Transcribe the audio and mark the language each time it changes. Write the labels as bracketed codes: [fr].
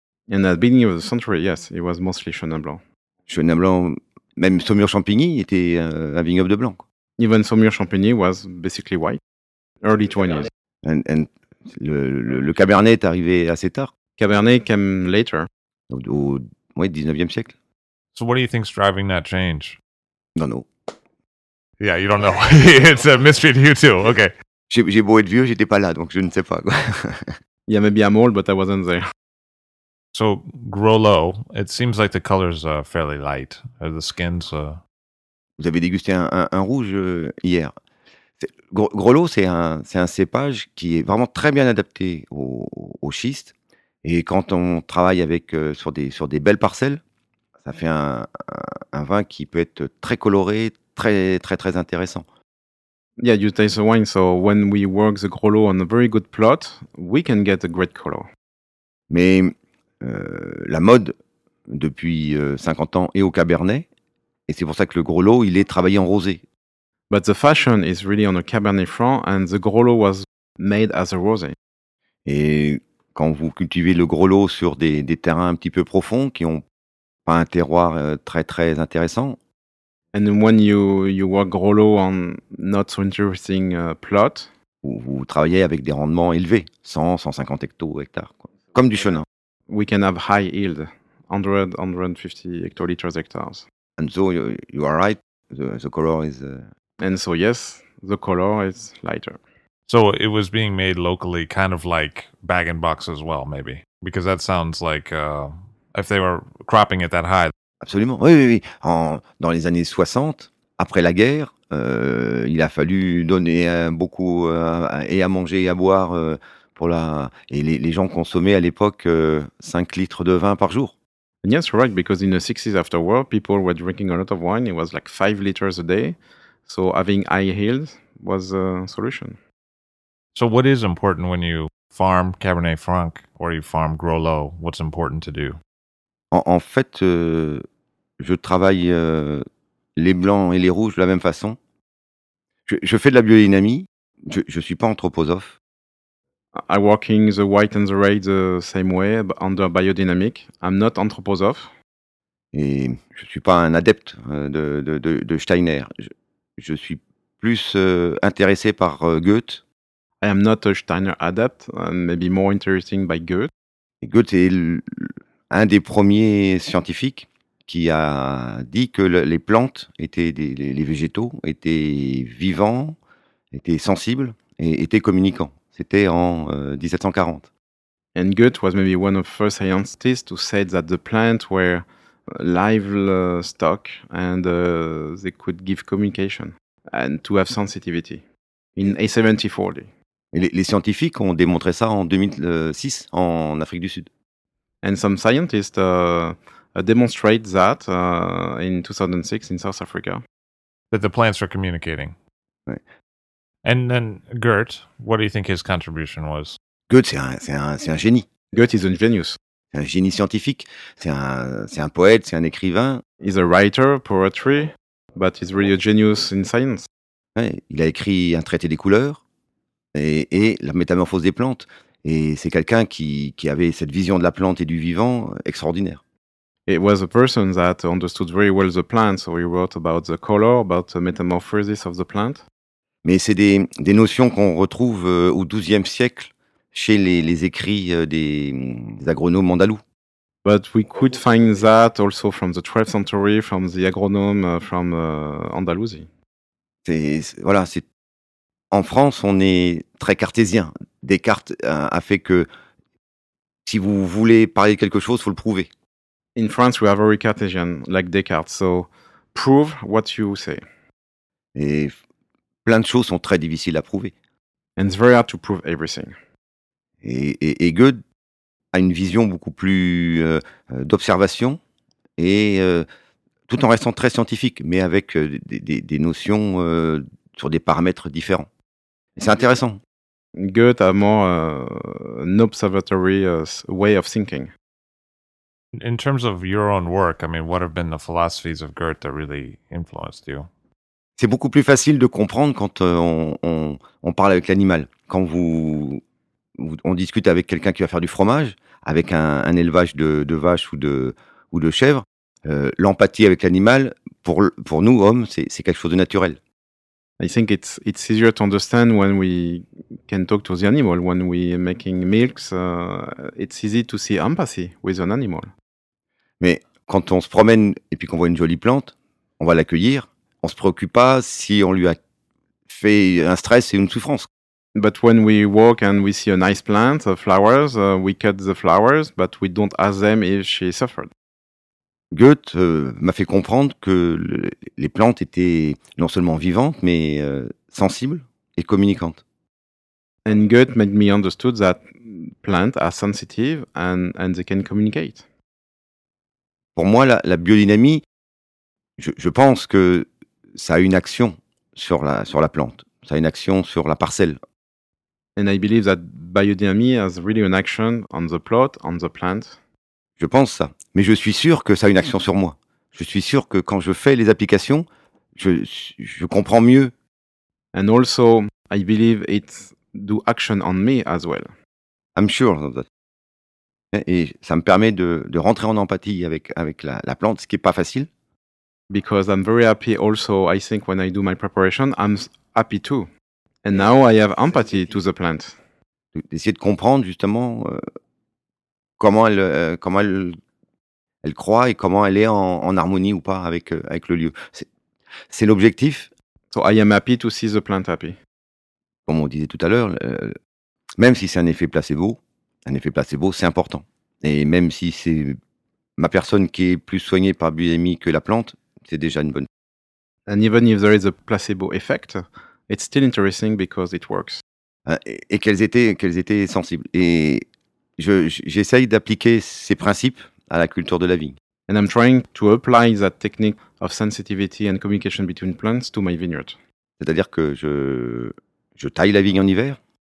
[en] And at the beginning of the century, yes, it was mostly Chenin Blanc. [fr] Chenin Blanc, même Saumur-Champigny était un vignoble de blanc. [en] Even Saumur-Champigny was basically white. Early 20s. And [fr] le Cabernet est arrivé assez tard. [en] Cabernet came later. [fr] Au 19e siècle. [en] So what do you think is driving that change? Don't know. Yeah, you don't know. It's a mystery to you too. Okay. J'ai beau être vieux, j'étais pas là, donc je ne sais pas. Yeah, maybe I'm old, but I wasn't there. So, grow low, it seems like the color's fairly light. Are the skins... [fr] Vous avez dégusté un rouge hier. Grow low, c'est un cépage qui est vraiment très bien adapté au schiste. Et quand on travaille sur des belles parcelles, ça fait un vin qui peut être très coloré, très très très intéressant. [en] Yeah, you taste the wine. So when we work the grow low on a very good plot, we can get a great color. [fr] Mais la mode depuis 50 ans est au cabernet, et c'est pour ça que le grow low il est travaillé en rosé. [en] But the fashion is really on a cabernet franc, and the grow low was made as a rosé. [fr] Et quand vous cultivez le grow low sur des terrains un petit peu profonds qui ont pas un terroir très très intéressant. [en] And when you work grow low on not so interesting plot, [fr] vous travaillez avec des rendements élevés, 100, 150 hectolitres, quoi. Comme du Chenin. [en] We can have high yield, 100, 150 hectolitres. And so you are right, the color is... And so yes, the color is lighter. So it was being made locally, kind of like bag-in-box as well, maybe. Because that sounds like if they were cropping it that high. [fr] Absolument, oui. Dans les années 60, après la guerre, il a fallu donner beaucoup et à manger et à boire. Et les gens consommaient à l'époque 5 litres de vin par jour. [en] And yes, right, because in the 60s after war, people were drinking a lot of wine. It was like 5 liters a day. So having high yield was a solution. So what is important when you farm Cabernet Franc or you farm Grow Low? What's important to do? [fr] En fait, je travaille les blancs et les rouges de la même façon. Je fais de la biodynamie. Je suis pas anthroposophe. [en] I'm working the white and the red the same way, but under biodynamic. I'm not anthroposophe. [fr] Et je suis pas un adepte de Steiner. Je suis plus intéressé par Goethe. [en] I am not a Steiner adept, maybe more interesting by Goethe. [fr] Et Goethe est un des premiers scientifiques qui a dit que les plantes, les végétaux, étaient vivants, étaient sensibles et étaient communicants. C'était en 1740. [en] And Goethe was maybe one of the first scientists who said that the plants were livestock and they could give communication and to have sensitivity in 1740. [fr] Et les scientifiques ont démontré ça en 2006 en Afrique du Sud. [en] And some scientists demonstrate that in 2006 in South Africa. That the plants are communicating. [fr] Ouais. [en] And then Goethe, what do you think his contribution was? [fr] Goethe, c'est un génie. [en] Goethe is a genius. [fr] C'est un génie scientifique. C'est un poète, c'est un écrivain. [en] He's a writer, poetry, but he's really a genius in science. [fr] Ouais, il a écrit un traité des couleurs et la métamorphose des plantes. Et c'est quelqu'un qui avait cette vision de la plante et du vivant extraordinaire. [en] it was a person that understood very well the plant. So he wrote about the color, about the metamorphosis of the plant. [fr] Mais c'est des notions qu'on retrouve au XIIe siècle chez les écrits des agronomes andalous. [en] But we could find that also from the 12th century, from the agronome from Andalusia. [fr] C'est en France, on est très cartésien. Descartes a fait que si vous voulez parler de quelque chose, faut le prouver. [en] In France, we are very cartesian, like Descartes. So prove what you say. [fr] Et plein de choses sont très difficiles à prouver. [en] And it's very hard to prove everything. [fr] Et Goethe a une vision beaucoup plus d'observation et tout en restant très scientifique, mais avec des notions sur des paramètres différents. Et c'est intéressant. [en] Goethe a more an observatory way of thinking. In terms of your own work, I mean, what have been the philosophies of Goethe that really influenced you? [fr] C'est beaucoup plus facile de comprendre quand on parle avec l'animal. Quand on discute avec quelqu'un qui va faire du fromage, avec un élevage de vaches ou de chèvres, l'empathie avec l'animal, pour nous, hommes, c'est quelque chose de naturel. [en] I think it's easier to understand when we can talk to the animal, when we are making milks, it's easy to see empathy with an animal. [fr] Mais quand on se promène et puis qu'on voit une jolie plante, on va l'accueillir, on se préoccupe pas si on lui a fait un stress et une souffrance. [en] But when we walk and we see a nice plant, flowers, we cut the flowers, but we don't ask them if she suffered. [fr] Goethe m'a fait comprendre que les plantes étaient non seulement vivantes, mais sensibles et communicantes. [en] And Goethe made me understood that plants are sensitive and they can communicate. [fr] Pour moi, la biodynamie, je pense que ça a une action sur la plante, ça a une action sur la parcelle. [en] And I believe that biodynamy has really an action on the plot, on the plant. [fr] Je pense ça. Mais je suis sûr que ça a une action sur moi. Je suis sûr que quand je fais les applications, je comprends mieux. [en] And also, I believe it do action on me as well. I'm sure of that. [fr] Et ça me permet de rentrer en empathie avec la plante, ce qui n'est pas facile. [en] Because I'm very happy also, I think when I do my preparation, I'm happy too. And now I have empathy to the plant. [fr] D'essayer de comprendre justement... Comment elle croit et comment elle est en harmonie ou pas avec le lieu. C'est l'objectif. [en] So I am happy to see the plant happy. [fr] Comme on disait tout à l'heure, même si c'est un effet placebo, c'est important. Et même si c'est ma personne qui est plus soignée par biodynamie que la plante, c'est déjà une bonne chose. [en] And even if there is a placebo effect, it's still interesting because it works. [fr] Et qu'elles étaient sensibles. Et... J'essaye d'appliquer ces principes à la culture de la vigne. [en] And I'm trying to apply that technique of sensitivity and communication between plants to my vineyard. [fr] C'est-à-dire que je taille la vigne en hiver.